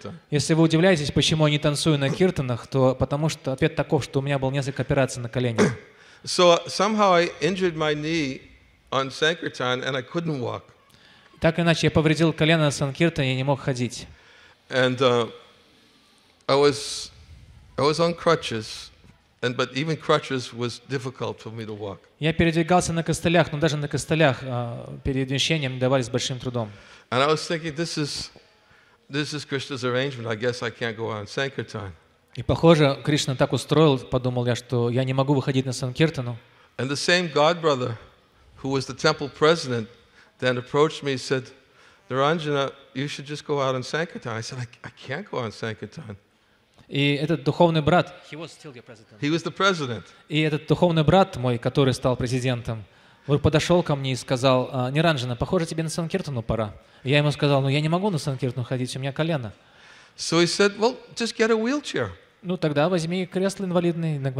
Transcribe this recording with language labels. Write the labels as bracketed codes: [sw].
[ru] Если вы удивляетесь, почему я не танцую на киртанах, то потому что ответ таков, что у меня было несколько операций на колене. [en] So somehow I injured my knee on Sankirtan and I couldn't walk. [ru] Так иначе я повредил колено на Санкиртане и не мог ходить. [en] And I was on crutches. And but even crutches was difficult for me to walk. [ru] Я передвигался на костылях, но даже на костылях передвижения мне давались большим трудом. [en] And I was thinking, this is Krishna's arrangement. I guess I can't go on Sankirtan. [ru] И похоже, Кришна так устроил, подумал я, что я не могу выходить на Санкиртану. [en] And the same god brother, who was the temple president, then approached me and said, Niranjana, you should just go out on Sankirtan. I said, I can't go on Sankirtan. [ru] И этот духовный брат, [en] he was still your president. He was the president. [ru] И этот духовный брат мой, который стал президентом, вот подошел ко мне и сказал, Ниранджана, похоже, тебе на Санкиртану пора. И я ему сказал, я не могу на Санкиртану ходить, у меня колено. [en] So he said, well, just get a wheelchair. [ru] Ну тогда возьми кресло инвалидное.